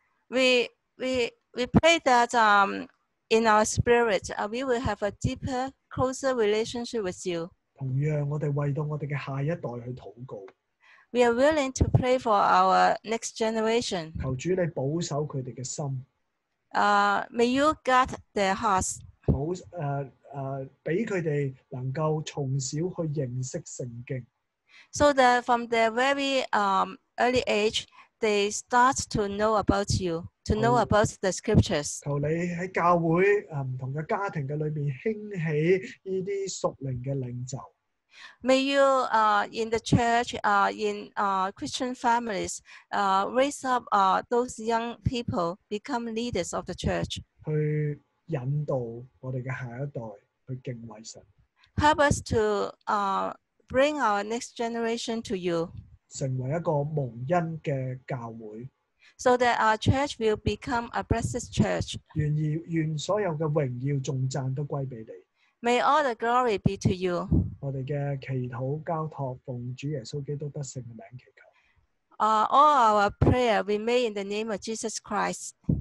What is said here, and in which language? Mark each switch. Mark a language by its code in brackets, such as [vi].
[en] We pray that in our spirit, we will have a deeper, closer relationship with you. [zh] 同样我们为到我们的下一代去祷告。 [en] We are willing to pray for our next generation. [zh] 求主你保守他们的心。 [en] May you guard their hearts. [zh] 让他们能够从小去认识圣经。 [en] So that from their very early age, they start to know about you, to know about the scriptures. [zh] 求你在教会，不同的家庭里面兴起这些属灵的领袖。 [en] May you in the church, in Christian families, raise up those young people, become leaders of the church. [zh] 去引导我们的下一代去敬畏神。 [en] Help us to bring our next generation to you. [zh] 成为一个蒙恩的教会。 [en] So that our church will become a blessed church. [zh] 愿所有的荣耀颂赞都归给你。 [en] May all the glory be to you. [zh] 我们的祈祷交托奉主耶稣基督得胜的名祈求。 [en] All our prayer we made in the name of Jesus Christ.